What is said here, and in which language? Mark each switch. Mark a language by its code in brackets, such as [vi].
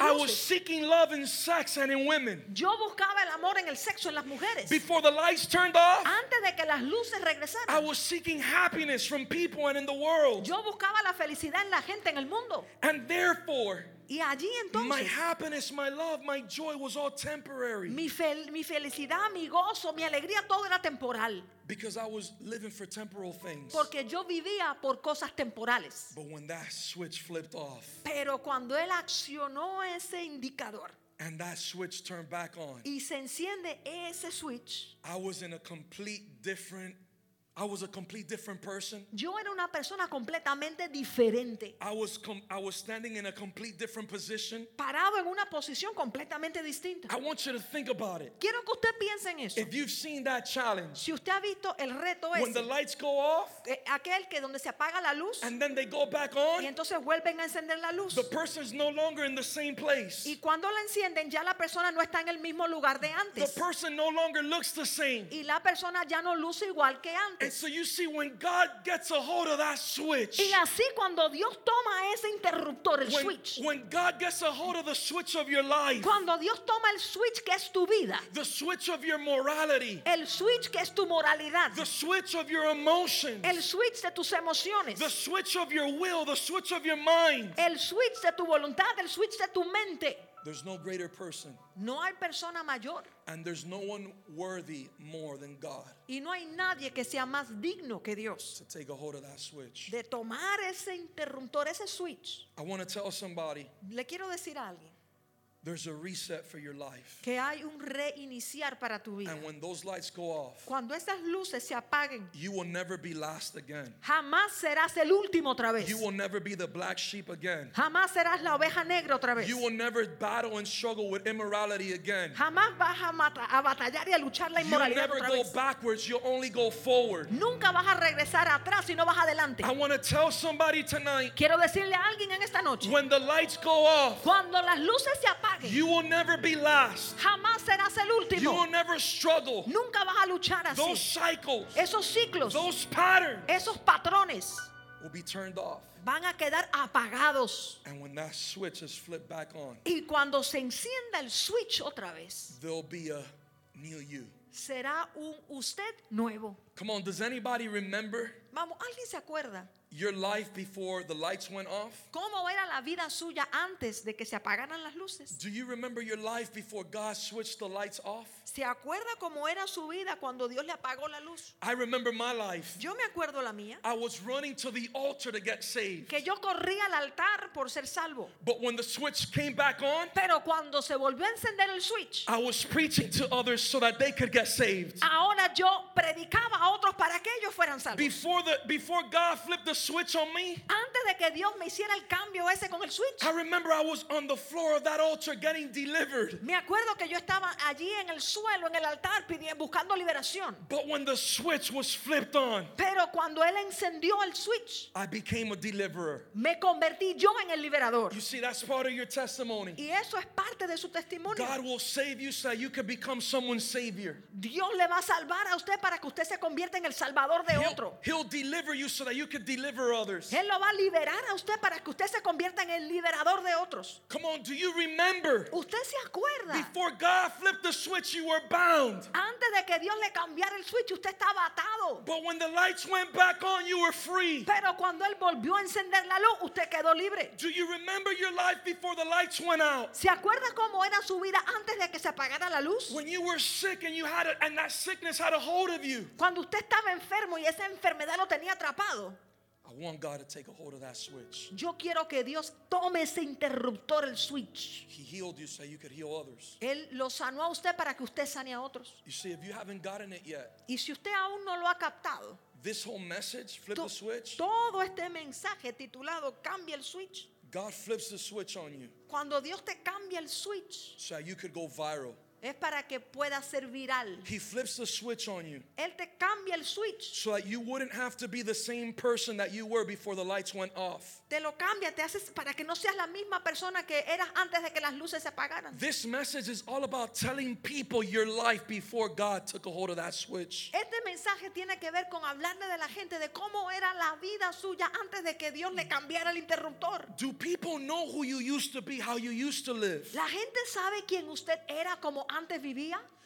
[es] luces. [en] I was seeking love in sex and in women. [es] Yo buscaba el amor en el sexo en las mujeres. [en] Before the lights turned off. [es] Antes de que las luces regresaran. [en] I was seeking happiness from people and in the world. [es] Yo buscaba la felicidad en la gente en el mundo. [en] And therefore. [es] Y allí entonces. [en] My happiness, my love, my joy was all temporary. [es] Mi felicidad, mi gozo, mi alegría, todo era temporal. [en] Because I was living for temporal things. [es] Porque yo vivía por cosas temporales. [en] But when that switch flipped off. [es] Pero cuando él accionó ese indicador. [en] And that switch turned back on. [es] Y se enciende ese switch. [en] I was a complete different person. [es] Yo era una persona completamente diferente. [en] I was standing in a complete different position. [es] Parado en una posición completamente distinta. [en] I want you to think about it. [es] Quiero que usted piense en eso. [en] If you've seen that challenge. [es] Si usted ha visto el reto ese. [en] When the lights go off. [es] Aquel que donde se apaga la luz. [en] And then they go back on. [es] Y entonces vuelven a encender la luz. [en] The person is no longer in the same place. [es] Y cuando la encienden ya la persona no está en el mismo lugar de antes. [en] The person no longer looks the same. [es] Y la persona ya no luce igual que antes. [en] And so you see, when God gets a hold of that switch, [es] y así cuando Dios toma ese interruptor, el switch, [en] when God gets a hold of the switch of your life, [es] cuando Dios toma el switch que es tu vida, [en] the switch of your morality, [es] el switch que es tu moralidad, [en] the switch of your emotions, [es] el switch de tus emociones, [en] the switch of your will, the switch of your mind, [es] el switch de tu voluntad, el switch de tu mente. [en] There's no greater person. [es] No hay persona mayor. [en] And there's no one worthy more than God. [es] Y no hay nadie que sea más digno que Dios. [en] To take a hold of that switch. [es] De tomar ese interruptor, ese switch. [en] I want to tell somebody. [es] Le quiero decir a alguien. [en] There's a reset for your life. [es] Que hay un reiniciar para tu vida. [en] And when those lights go off. [es] Cuando esas luces se apaguen. [en] You will never be last again. [es] Jamás serás el último otra vez. [en] You will never be the black sheep again. [es] Jamás serás la oveja negra otra vez. [en] You will never battle and struggle with immorality again. [es] Jamás vas a batallar y a luchar la inmoralidad otra vez. [en] You'll never go backwards, you'll only go forward. [es] Nunca vas a regresar atrás, sino vas adelante. [en] I want to tell somebody tonight. [es] Quiero decirle a alguien en esta noche. [en] When the lights go off. [es] Cuando las luces se apaguen. [en] You will never be last. [es] Jamás serás el último. [en] You will never struggle. [es] Nunca vas a luchar así. [en] Those cycles. [es] Esos ciclos. [en] Those patterns. [es] Esos patrones. [en] Will be turned off. [es] Van a quedar apagados. [en] And when that switch is flipped back on. [es] Y cuando se encienda el switch otra vez. [en] There'll be a new you. [es] Será un usted nuevo. [en] Come on, does anybody remember? [es] Vamos, ¿alguien se acuerda? [en] your life before the lights went off? [es] ¿Cómo era la vida suya antes de que se apagaran las luces? [en] Do you remember your life before God switched the lights off? [es] ¿Se acuerda cómo era su vida cuando Dios le apagó la luz? [en] I remember my life. [es] Yo me acuerdo la mía. [en] I was running to the altar to get saved. [es] Que yo corría al altar por ser salvo. [en] But when the switch came back on, [es] pero cuando se volvió a encender el switch, [en] I was preaching to others so that they could get saved. [es] Ahora yo predicaba a otros para que ellos fueran salvos. [en] Before God flipped the switch on me, [es] antes de que Dios me hiciera el cambio ese con el switch, [en] I remember I was on the floor of that altar getting delivered. [es] Me acuerdo que yo estaba allí en el suelo, en el altar, buscando liberación. [en] But when the switch was flipped on, [es] pero cuando él encendió el switch, [en] I became a deliverer. [es] Me convertí yo en el liberador. [en] You see, that's part of your testimony. [es] Y eso es parte de su testimonio. [en] God will save you so you can become someone's savior. [es] Dios le va a salvar a usted para que usted se convierta en el salvador de otro. [en] He'll deliver you so that you can deliver others. [es] Él lo va a liberar a usted para que usted se convierta en el liberador de otros. [en] Come on, do you remember? [es] ¿Usted se acuerda? [en] Before God flipped the switch, you were bound. [es] Antes de que Dios le cambiara el switch, usted estaba atado. [en] But when the lights went back on, you were free. [es] Pero cuando él volvió a encender la luz, usted quedó libre. [en] Do you remember your life before the lights went out? [es] ¿Se acuerda cómo era su vida antes de que se apagara la luz? [en] When you were sick and you had it, and that sickness had a hold of you. [es] Cuando usted estaba enfermo y esa enfermedad lo tenía atrapado. [en] I want God to take a hold of that switch. [es] Yo quiero que Dios tome ese interruptor, el switch. [en] He healed you so you could heal others. [es] Él lo sanó a usted para que usted sane a otros. [en] You see, if you haven't gotten it yet, [es] y si usted aún no lo ha captado, [en] this whole message, flip the switch, [es] todo este mensaje titulado Cambia el switch, [en] God flips the switch on you. [es] Cuando Dios te cambia el switch, [en] so you could go viral. [es] Es para que pueda ser viral. [en] He flips the switch on you. [es] Él te cambia el switch. [en] So that you wouldn't have to be the same person that you were before the lights went off. [es] Te lo cambia, te haces para que no seas la misma persona que eras antes de que las luces se apagaran. [en] This message is all about telling people your life before God took a hold of that switch. [es] Este mensaje tiene que ver con hablarle de la gente de cómo era la vida suya antes de que Dios le cambiara el interruptor. [en] Do people know who you used to be, how you used to live? [es] La gente sabe quién usted era como antes vivía.